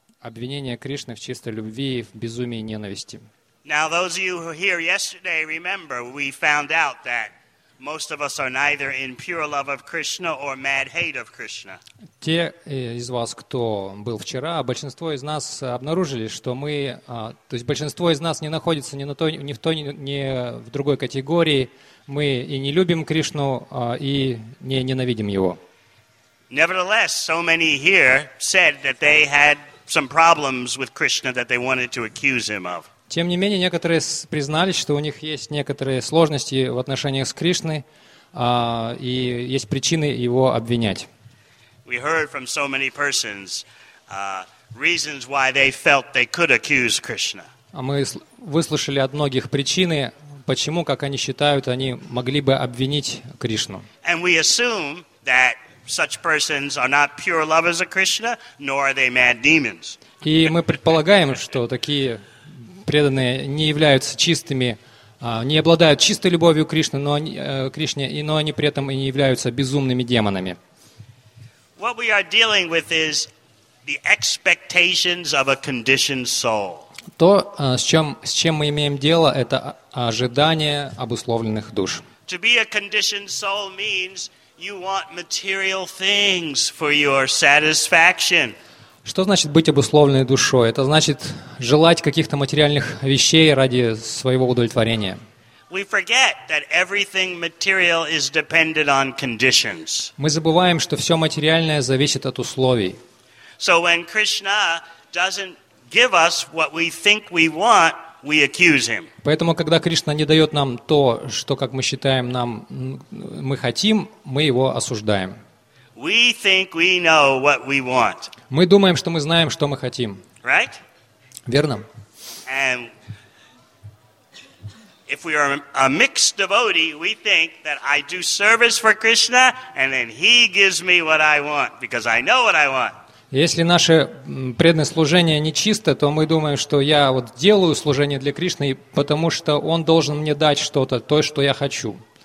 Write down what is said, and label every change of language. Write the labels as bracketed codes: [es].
[ru] Обвинение Кришны в чистой любви, в безумии и ненависти. [en] Now, those of you who were here yesterday, remember, we found out that most of us are neither in pure love of Krishna or mad hate of Krishna. [ru] Те из вас, кто был вчера, большинство из нас обнаружили, что мы, то есть большинство из нас не находится ни на той, ни в той, ни в другой категории. Мы и не любим Кришну, и не ненавидим его. [en] Nevertheless, so many here said that they had some problems with Krishna that they wanted to accuse him of. [ru] Тем не менее, некоторые признались, что у них есть некоторые сложности в отношениях с Кришной, и есть причины его обвинять. [en] We heard from so many persons reasons why they felt they could accuse Krishna. [ru] Мы выслушали от многих причины, почему, как они считают, они могли бы обвинить Кришну. [en] And we assume that such persons are not pure lovers of Krishna, nor are they mad demons. [ru] И мы предполагаем, что такие преданные не являются чистыми, не обладают чистой любовью Кришне, но они при этом и не являются безумными демонами. [en] What we are dealing with is the expectations of a conditioned soul. [ru] То, с чем мы имеем дело, это ожидания обусловленных душ. [en] To be a conditioned soul means you want material things for your satisfaction. [ru] Что значит быть обусловленной душой? Это значит желать каких-то материальных вещей ради своего удовлетворения. [en] We forget that everything material is dependent on conditions. [ru] Мы забываем, что все материальное зависит от условий. [en] So when Krishna doesn't give us what we think we want, we accuse him. [ru] Поэтому, когда Кришна не дает нам то, что, как мы считаем, нам мы хотим, мы его осуждаем. [en] We think we know what we want. [ru] Мы думаем, что мы знаем, что мы хотим. [en] Right? [ru] Верно? [en] And if we are a mixed devotee, we think that I do service for Krishna, and then he gives me what I want, because I know what I want. [ru] Если наше преданное служение нечисто, то мы думаем, что я вот делаю служение для Кришны, потому что Он должен мне дать что-то, то, что я хочу.